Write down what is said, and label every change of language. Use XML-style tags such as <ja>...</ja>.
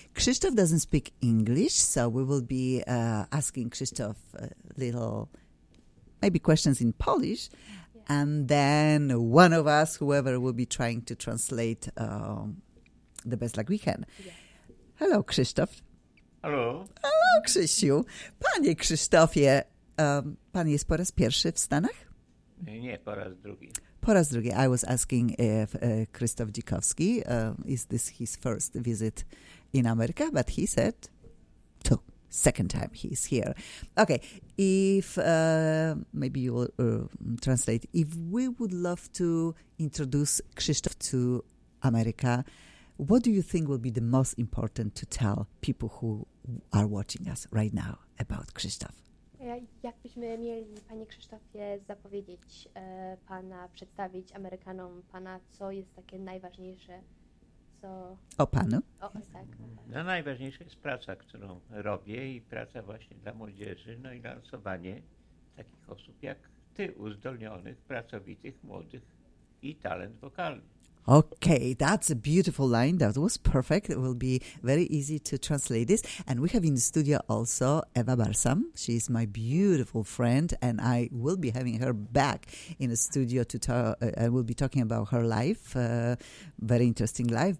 <en>Krzysztof doesn't speak English, so we will be asking Krzysztof a little, maybe questions in Polish, and then one of us, whoever, will be trying to translate the best like we can. Yeah. Hello, Krzysztof. Hello. Hello, Krzysiu.</en> <pl>Panie Krzysztofie, pan jest po raz pierwszy w Stanach? Nie, po raz drugi. Po raz drugi.</pl> <en>I was asking if Krzysztof Dzikowski, is this his first visit in America? But he said, second time he's here. Okay, if maybe you will translate. If we would love to introduce Krzysztof to America, what do you think will be the most important to tell people who are watching us right now about Krzysztof?</en> <pl>Jak byśmy mieli, panie Krzysztofie, zapowiedzieć pana, przedstawić Amerykanom pana, co jest takie najważniejsze, co... O panu? O, tak. No, najważniejsza jest praca, którą robię i praca właśnie dla młodzieży, no i lansowanie takich osób jak ty, uzdolnionych, pracowitych, młodych i talent wokalny.</pl> <en>Okay, that's a beautiful line. That was perfect. It will be very easy to translate this. And we have in the studio also Eva Barsam. She is my beautiful friend, and I will be having her back in the studio to talk. I will be talking about her life, very interesting life.</en>